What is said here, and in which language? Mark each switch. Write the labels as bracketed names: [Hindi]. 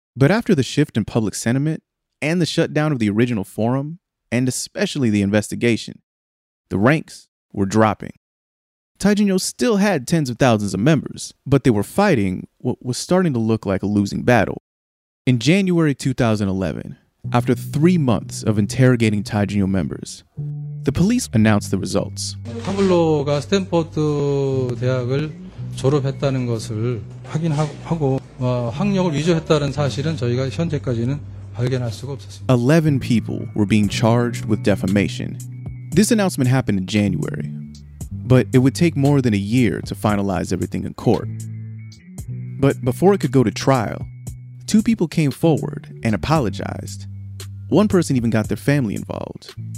[English] But after the shift in public sentiment and the shutdown of the original forum, and especially the investigation, the ranks were dropping. Taijinyo still had tens of thousands of members, but they were fighting what was starting to look like a losing battle. In January 2011, after 3 months of interrogating Taijinyo members, the police announced the results. [Korean] Pablo가 스탠퍼드 대학을 졸업했다는 것을 확인하고 학력을 위조했다는 사실은 저희가 현재까지는 발견할 수가 없었습니다. [English] 11 people were being charged with defamation. This announcement happened in January, but it would take more than a year to finalize everything in court. But before it could go to trial, two people came forward and apologized. One person even got their family involved.